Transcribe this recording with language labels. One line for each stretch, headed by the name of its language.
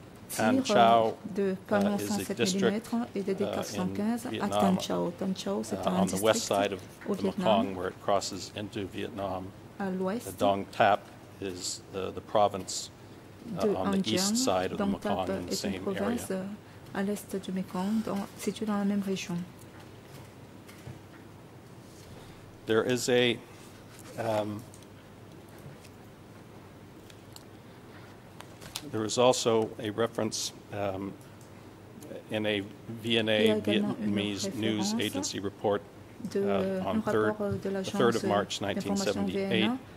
English: Tan Chau is a district in Vietnam, Tan Chau,
French: c'est un
English: on the west side of the Mekong where it crosses into Vietnam.
French: À l'ouest,
English: the Dong Thap is the province on the east side of Dong the Mekong in the same province, area.
French: À l'est du Mekong, situé dans la même région.
English: There is a there is also a reference in a VNA, Vietnamese news agency report on the 3rd of March 1978.